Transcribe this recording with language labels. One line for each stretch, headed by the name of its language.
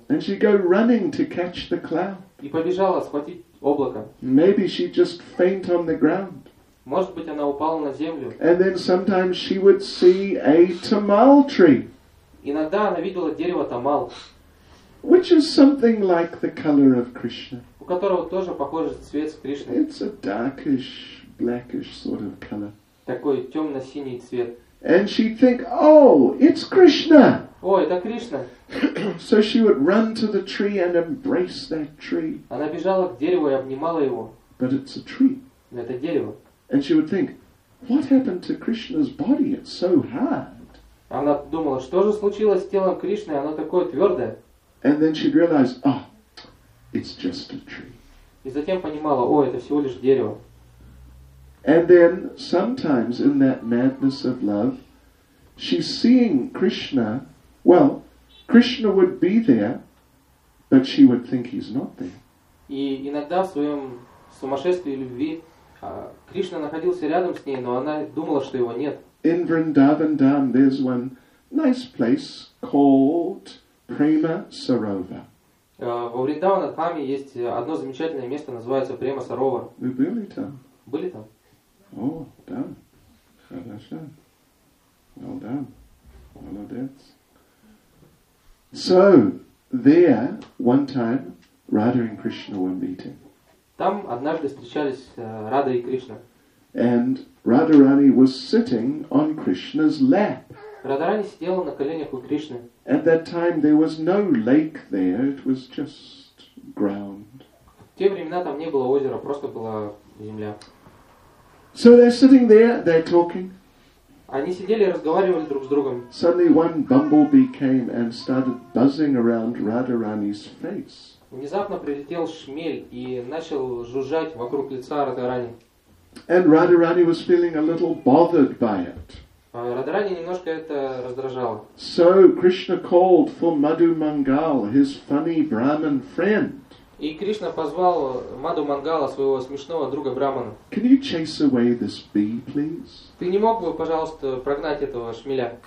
English: And she go running to catch the cloud.
Russian: И побежала схватить облако.
English: Maybe she just faint on the ground.
Russian: Может быть, она упала на землю.
English: And then sometimes she would see a tamal tree.
Russian: Иногда она видела дерево тамал.
English: Which is something like the color of Krishna.
Russian: У которого тоже похожий цвет с Кришной.
English: It's a darkish, blackish sort of color.
Russian: Такой темно-синий цвет.
English: And she'd think, oh, it's Krishna.
Russian: О, это Кришна.
English: So she would run to the tree and embrace that tree.
Russian: Она бежала к дереву и обнимала его.
English: But it's a tree.
Russian: Но это дерево.
English: And she would think, what happened to Krishna's body? It's so hard.
Russian: Она думала, что же случилось с телом Кришны? Оно такое твердое.
English: And then she'd realize, oh, it's just a tree.
Russian: И затем понимала, о, это всего лишь дерево.
English: And then sometimes in that madness of love, she's seeing Krishna, well, Krishna would be there, but she would think he's not there.
Russian: И иногда в своем сумасшествии любви Кришна находился рядом с ней, но она думала, что его нет.
English: In Vrindavan Dham, there's one nice place called Prema Sarovar.
Russian: Во Вриндаване Дхаме есть одно замечательное место, называется Према Саровар. Вы были там? Были там. О, да. Хорошо.
English: Well done.
Russian: Молодец.
English: So, there, one time, Radha and Krishna were meeting.
Russian: Там однажды встречались Радха и Кришна.
English: And Radharani was sitting on Krishna's lap.
Russian: Радхарани сидела на коленях у Кришны.
English: At that time there was no lake there, it was just ground.
Russian: В те времена там не было озера, просто была земля.
English: So they're sitting there, they're talking.
Russian: Они сидели и разговаривали друг с другом.
English: Suddenly one bumblebee came and started buzzing around Radharani's face.
Russian: Внезапно прилетел шмель и начал жужжать вокруг лица Радхарани.
English: And Radharani was feeling a little bothered by it.
Russian: Радхарани немножко это раздражало.
English: So Krishna called for Madhu Mangal, his funny Brahmin friend.
Russian: И Кришна позвал Маду Мангала, своего смешного друга Брахмана.
English: Can you chase away this bee, please?
Russian: Ты не мог бы, пожалуйста, прогнать этого шмеля?